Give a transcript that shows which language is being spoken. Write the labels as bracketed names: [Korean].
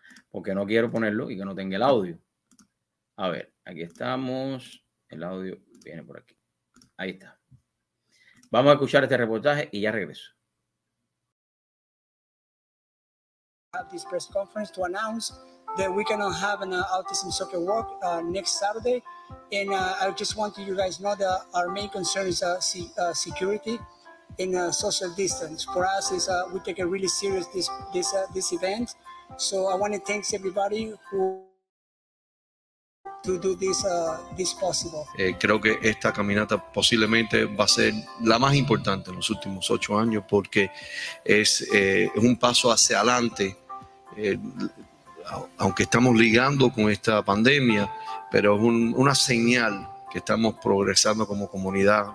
[Spanish] Porque no quiero ponerlo y que no tenga el audio. A ver, aquí estamos. El audio viene por aquí. Ahí está. Vamos a escuchar este reportaje y ya regreso. [English] Have this press conference to announce that we cannot have an autism soccer walk next Saturday. And I just want you guys to know that our main concern is security and social distance. For us, is we take it really serious, this event. So I want to thank everybody who to do this this possible. [Spanish] Creo que esta caminata posiblemente va a ser la más importante en los últimos 8 años porque es un paso hacia adelante. Aunque estamos ligando con esta pandemia, pero es una señal que estamos progresando como comunidad.